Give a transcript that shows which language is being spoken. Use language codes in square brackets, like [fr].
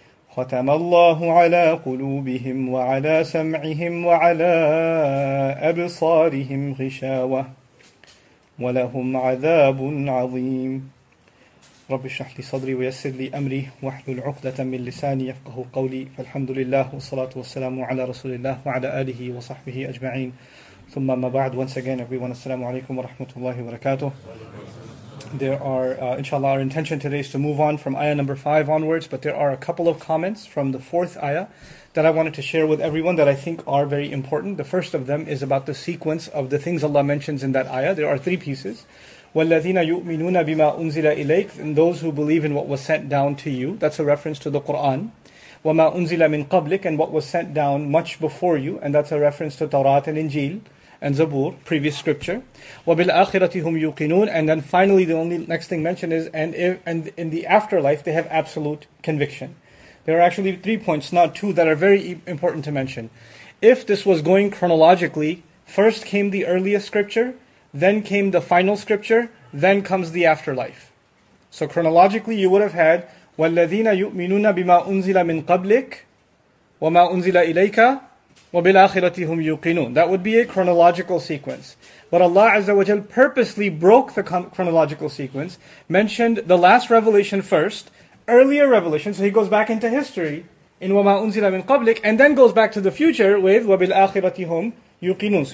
[ar] ختم الله على قلوبهم وعلى سمعهم وعلى أبصارهم غشاوة ولهم عذاب عظيم. رب اشرح لي صدري ويسر لي أمري واحلل عقدة من لساني يفقه قولي. فالحمد لله والصلاة والسلام على رسول الله وعلى آله وصحبه أجمعين. ثم ما بعد. [en] Once again everyone, [ar] assalamu alaikum wa rahmatullahi wa barakatuh. [en] There are, inshallah, our intention today is to move on from ayah number 5 onwards, but there are a couple of comments from the 4th ayah that I wanted to share with everyone that I think are very important. The first of them is about the sequence of the things Allah mentions in that ayah. There are three pieces. [ar] وَالَّذِينَ يُؤْمِنُونَ بِمَا أُنزِلَ إِلَيْكَ. [en] And those who believe in what was sent down to you. That's a reference to the Qur'an. [ar] وَمَا أُنزِلَ مِنْ قَبْلِكَ. [en] And what was sent down much before you. And that's a reference to Tawrat and Injil and Zabur, previous scripture. [ar] وَبِالْآخِرَةِ هُمْ يُقِنُونَ. [en] And then finally, the only next thing mentioned is, and in the afterlife, they have absolute conviction. There are actually three points, not two, that are very important to mention. If this was going chronologically, first came the earliest scripture, then came the final scripture, then comes the afterlife. So chronologically, you would have had [ar] وَالَّذِينَ يُؤْمِنُونَ بِمَا أُنزِلَ مِنْ قَبْلِكَ وَمَا أُنزِلَ إِلَيْكَ وَبِالْآخِرَةِ هُمْ يُقِنُونَ. [en] That would be a chronological sequence. But Allah Azza wa Jal purposely broke the chronological sequence, mentioned the last revelation first, earlier revelation, so He goes back into history in [ar] وَمَا أُنزِلَ مِنْ قَبْلِكَ, [en] and then goes back to the future with [ar] وَبِالْآخِرَةِ هُمْ يُقِنُونَ.